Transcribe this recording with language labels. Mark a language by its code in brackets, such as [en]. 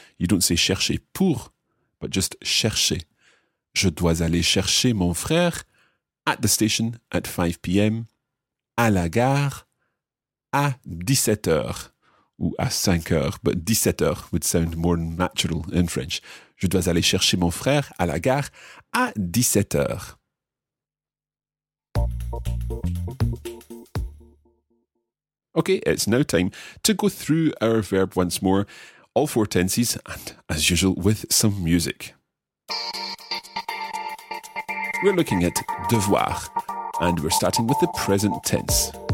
[en] You don't say chercher pour, but just chercher. [fr] Je dois aller chercher mon frère [en] at the station at 5 p.m. [fr] À la gare à 17h. Ou à 5h, [en] but 17h would sound more natural in French. [fr] Je dois aller chercher mon frère à la gare à 17h. [en] Okay, it's now time to go through our verb once more, all four tenses, and as usual, with some music. We're looking at devoir, and we're starting with the present tense.